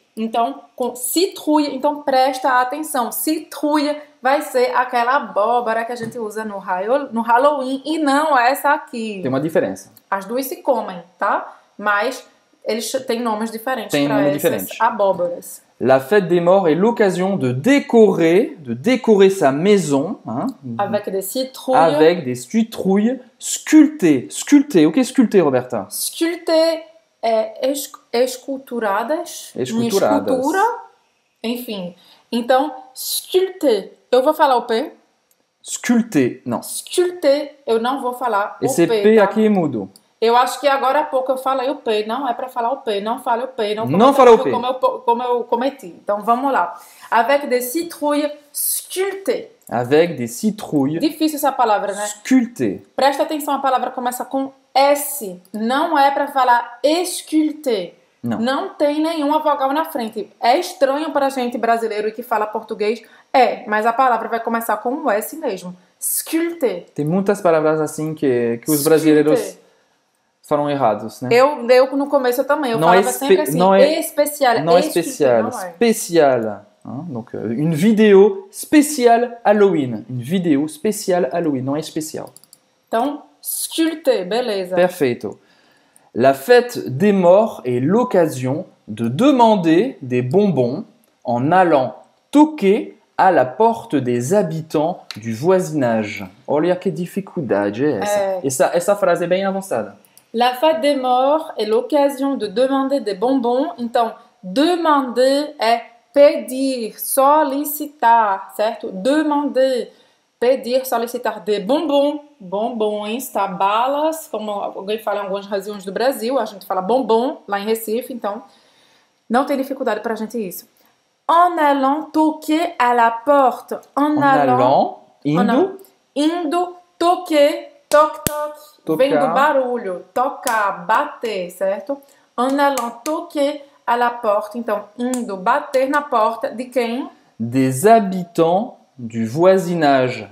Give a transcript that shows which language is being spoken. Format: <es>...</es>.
<pt>Então, com citrouille, então presta atenção. Citrouille vai ser aquela abóbora que a gente usa no Halloween e não essa aqui. Tem uma diferença. As duas se comem, tá? Mas... Eles têm nomes diferentes para essas abóboras.</pt> <fr>La fête des morts est l'occasion de décorer sa maison, hein, avec des citrouilles. Avec des citrouilles sculptées. Sculptées, ok, sculptées, Roberta.</fr> <pt>Sculptées, esculturadas. Esculturadas. Escultura, enfim. Então, sculptées. Eu vou falar o P. Sculptées, não. Sculptées, eu não vou falar</pt> <fr>et</fr> <pt>o</pt> <fr>c'est</fr> <pt>P. Esse P aqui é mudo. Eu acho que agora há pouco eu falei o P, não é para falar o P, não fale o P, não fale o P, como eu cometi. Então vamos lá.</pt> <fr>Avec des citrouilles sculptées. Avec des citrouilles.</fr> <pt>Difícil essa palavra, né?</pt> <fr>Sculptées.</fr> <pt>Presta atenção, a palavra começa com S. Não é para falar esculpté. Não. Não tem nenhuma vogal na frente. É estranho para a gente brasileiro e que fala português. É, mas a palavra vai começar com o S mesmo.</pt> <fr>Sculpté.</fr> <pt>Tem muitas palavras assim que os brasileiros foram errados, né? Eu no começo eu também, eu não falava especial. Não é especial, especial. Então, uma vídeo especial Halloween. Uma vídeo especial Halloween, não é especial. Então, sculpté, beleza. Perfeito.</pt> <fr>La fête des morts est l'occasion de demander des bonbons en allant toquer à la porte des habitants du voisinage.</fr> <pt>Olha que dificuldade é essa. Essa frase é bem avançada.</pt> <fr>La fête des morts est l'occasion de demander des bonbons.</fr> <pt>Então, demander é pedir, solicitar, certo? Demander, pedir, solicitar</pt> <fr>des bonbons.</fr> <pt>Bonbons, tá? Balas, como alguém fala em algumas regiões do Brasil. A gente fala bonbon lá em Recife, então não tem dificuldade pra gente isso.</pt> <fr>En allant toquer à la porte. En allant,</fr> <pt>indo. Indo toquer. Toc, toc. Tocar. Vem do barulho. Tocar, bater, certo?</pt> <fr>En allant toquer à la porte.</fr> <pt>Então, indo bater na porta de quem?</pt> <fr>Des habitants du voisinage.</fr>